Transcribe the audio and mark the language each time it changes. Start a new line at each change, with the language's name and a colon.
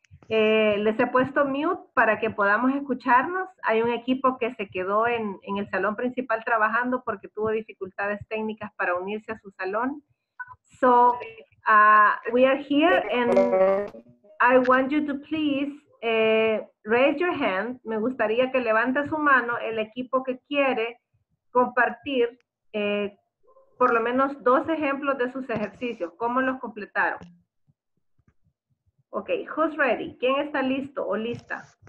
Spanish: Les he puesto mute para que podamos escucharnos. Hay un equipo que se quedó en el salón principal trabajando porque tuvo dificultades técnicas para unirse a su salón.
English: So, we are here and I want you to please raise your hand.
Spanish: Me gustaría que levante su mano el equipo que quiere compartir por lo menos dos ejemplos de sus ejercicios. ¿Cómo los completaron?
English: Okay, who's ready?
Spanish: ¿Quién está listo o lista?